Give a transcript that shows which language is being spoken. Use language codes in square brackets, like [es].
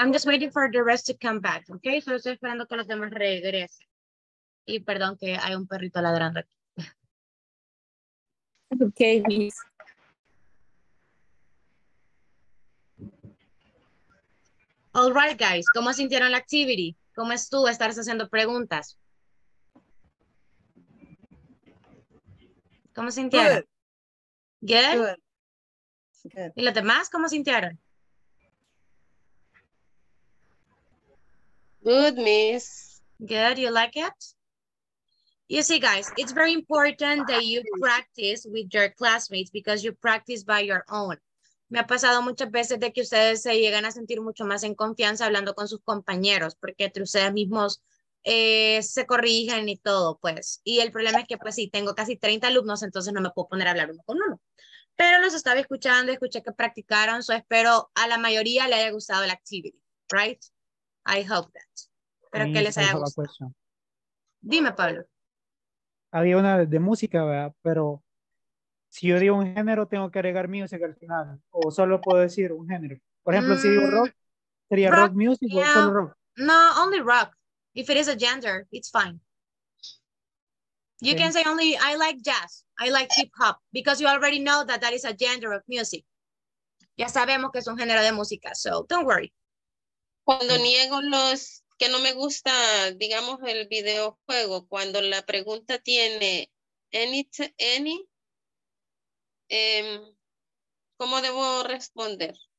[en] I'm just waiting for the rest to come back, okay? [es] So, estoy esperando que los demás regresen. Y perdón que hay un perrito ladrando aquí. [en] Okay, Miss. All right, guys, [es] ¿cómo sintieron la activity? ¿Cómo es tú estar haciendo preguntas? ¿Cómo sintieron? Good. [en] Good? Good. [es] ¿Y los demás cómo sintieron? [en] Good, Miss. Good, you like it? You see, guys, it's very important that you practice with your classmates because you practice by your own. [es] Me ha pasado muchas veces de que ustedes se llegan a sentir mucho más en confianza hablando con sus compañeros porque entre ustedes mismos se corrigen y todo, pues. Y el problema es que, pues, sí, tengo casi 30 alumnos, entonces no me puedo poner a hablar uno con uno. Pero los estaba escuchando, escuché que practicaron, so espero a la mayoría le haya gustado la activity, [en] right? I hope that. [es] Espero que les haya gustado. Dime, Pablo. Había una de música, ¿verdad? Pero Si yo digo un género, tengo que agregar music al final. O solo puedo decir un género. Por ejemplo, si digo rock, sería rock, rock music, yeah, o solo rock. [en] No, only rock. If it is a gender, it's fine. You okay. can say only, I like jazz. I like hip hop. Because you already know that that is a gender of music. [es] Ya sabemos que es un género de música. [en] So, don't worry. [es] Cuando niego los que no me gusta, digamos, el videojuego, cuando la pregunta tiene any, ¿cómo debo responder?